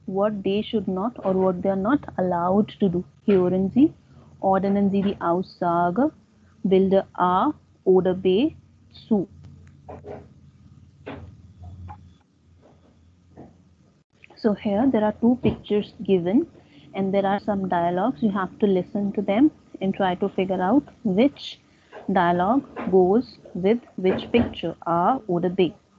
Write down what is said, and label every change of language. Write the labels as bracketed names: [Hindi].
[English] What they should not or what they are not allowed to do? [German] Hören Sie? Ordnen Sie die Aussage, Bilder A oder B zu. [English] So here there are two pictures given and there are some dialogues. You have to listen to them and try to figure out which dialogue goes with which picture, A oder B.